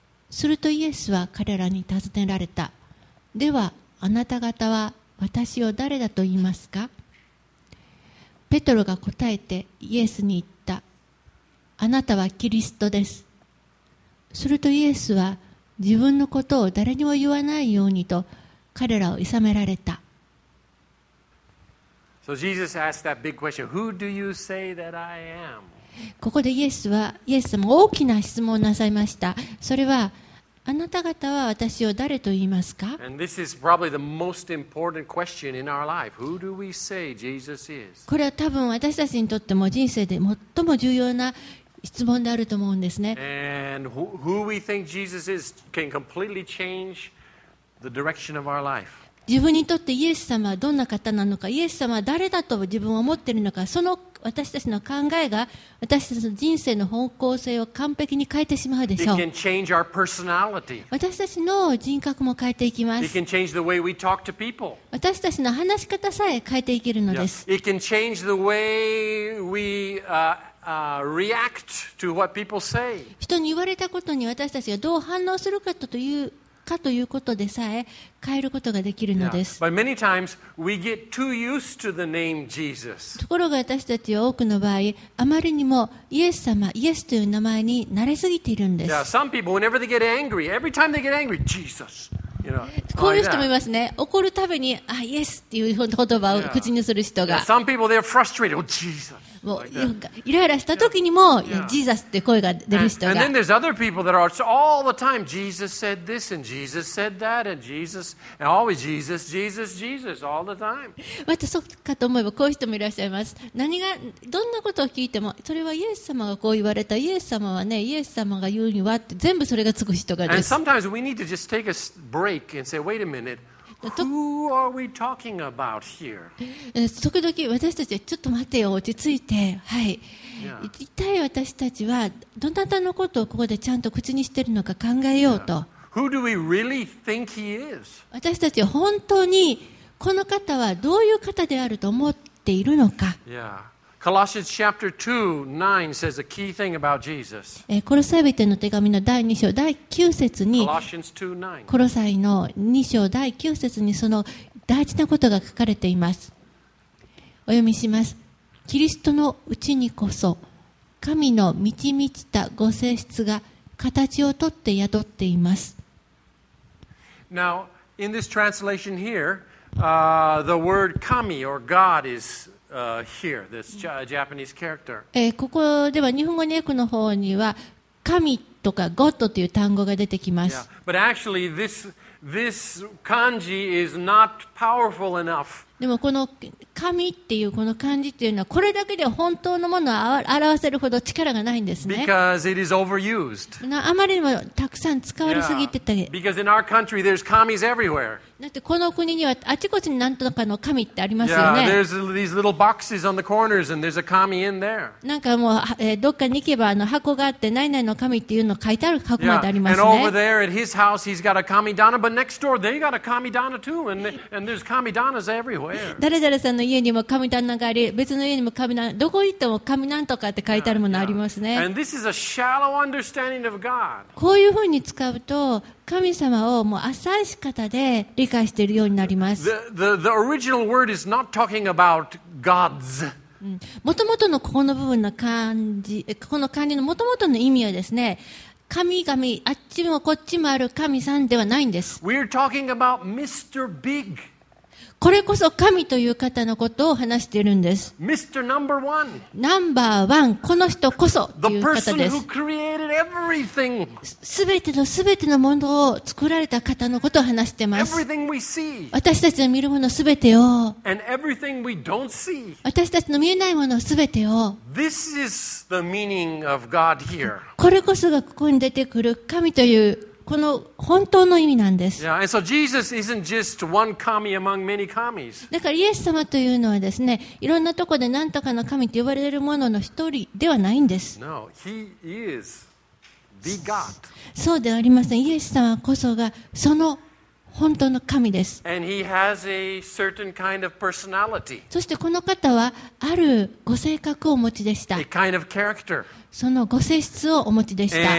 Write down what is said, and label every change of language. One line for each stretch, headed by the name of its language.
Japanese: するとイエスは彼らに尋ねられた。ではあなた方は私を誰だと言いますか。ペトロが答えてイエスに言った。あなたはキリストです。するとイエスは自分のことを誰にも言わないようにと彼らをいさめられた。
English: So Jesus asked that big question, who do you say that I am?
Japanese: ここでイエス様大きな質問をなさいました。それはあなた方は私を誰と言いますか。これは多分私たちにとっても人生で最も重要な質問であると思うんですね。
English: And who we think Jesus is can completely change the direction of our life.
Japanese: 自分にとってイエス様はどんな方なのか、イエス様は誰だと自分は思っているのか、その私たちの考えが私たちの人生の方向性を完璧に変えてしまうでしょう。私たちの人格も変えていきます。私たちの話し方さえ変えていけるのです。
English: It can change the way we react to what people say.
Japanese: 人に言われたことに私たちがどう反応するかというかということでさえ変えることができるのです。
English: But many times we get too used to the name Jesus.
Japanese: ところが私たちは多くの場合、あまりにもイエス様、イエスという名前に慣れすぎているんです。
English: Yeah, some people whenever they get angry, every time they get angry, Jesus. You
Japanese: know, こういう人もいますね。怒るたびにあイエスっていう言葉を口にする人が。
English: Yeah, some people they're frustrated. Oh, Jesus.
Japanese: もうイライラした時にも、ジーザスって声が出る人が。またそうかと思えば、こういう人もいらっしゃいます。何がどんなことを聞いても、それはイエス様がこう言われた、イエス様はね、イエス様が言うにはって、全部それがつく人がです。
English: And sometimes we need to just take a break and say, wait a minute. Who are we talking about here?
Japanese: 時々私たちはちょっと待てよ、落ち着いて、はい、yeah. 一体私たちはどなたのことをここでちゃんと口にしているのか考えようと、yeah.
English: Who do we really think he is?
Japanese: 私たちは本当にこの方はどういう方であると思っているのか、
English: yeah. Colossians chapter 2, 9 says a key thing about Jesus.
Japanese: コロサイ人の手紙の第2章第9節に、コロサイの2章第9節にその大事なことが書かれています。お読みします。キリストのうちにこそ、神の満ち満ちたご性質が形をとって宿っています。
English: Now, in this translation here, the word 神 or God is... here, this Japanese character.
Japanese: ここでは日本語の訳の方には神とかゴッドという単語が出てきます。
English: Yeah. But actually, this kanji is not powerful enough.
Japanese: でもこの神っていうこの漢字っていうのはこれだけで本当のものを表せるほど力がないんですね。
English: Because it is overused.
Japanese: あまりにもたくさん使われすぎてて。
English: Yeah. Because in our country, there's kamis everywhere.
Japanese: だってこの国にはあちこちに何とかの神ってありますよね。
English: Yeah, there's these little boxes on the corners and there's a kami in there.
Japanese: なんかもう、どっかに行けばあの箱があって何々の神っていうの書いてある箱までありますね。
English: Yeah, and over there at his house he's got a kami dana, but next door they got a kami dana too, and there's kami danas everywhere.
Japanese: 誰々さんの家にも神棚があり、別の家にも神棚、どこ行っても神なんとかって書いてあるものありますね。
English: And this is a shallow understanding of God.
Japanese: こういうふうに使うと、神様をもう浅い仕方で理解しているようになります。
English: the original word is not talking about gods.
Japanese: もともとのここの部分の漢字、この漢字のもともとの意味はですね、神々、あっちもこっちもある神さんではないんです。
English: We're talking about Mr. Big.
Japanese: これこそ神という方のことを話しているんです。
English: Mr. Number One.
Japanese: ナンバーワン、この人こそという方です。
English: The person who created everything.
Japanese: すべてのものを作られた方のことを話しています。
English: Everything we see.
Japanese: 私たちの見るものすべてを。
English: And everything we don't see.
Japanese: 私たちの見えないものすべてを。
English: This is the meaning of God here.
Japanese: これこそがここに出てくる神というこの本当の意味なんです。
English: yeah, and so Jesus isn't just one kami among many kamis.
Japanese: だからイエス様というのはですね、いろんなところで何とかの神と呼ばれるものの一人ではないんです。
English: No, he is the God.
Japanese: そうではありません。イエス様こそがその本当の神です。
English: and he has a certain kind of personality.
Japanese: そしてこの方はあるご性格をお持ちでした。
English: a kind of character.
Japanese: そのご性質をお持ちでした。